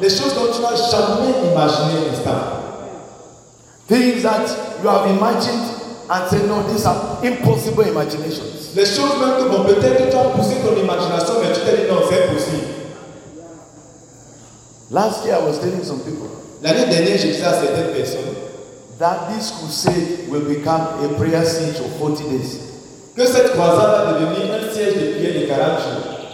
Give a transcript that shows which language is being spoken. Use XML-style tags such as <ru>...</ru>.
<fr>Les choses dont tu n'as jamais imaginé, n'est-ce pas?</fr> <en>Things that you have imagined and said, no, these are impossible imaginations.</en> <fr>Les choses même que bon, peut-être tu as poussé ton imagination, mais tu t'es dit non, c'est impossible.</fr> <en>Last year, I was telling some people.</en> <fr>L'année dernière, je disais à certaines personnes</fr> <en>that this crusade will become a prayer siege of 40 days.</en> <fr>Que cette croisade va devenir un siège de prière de 40 jours.</fr>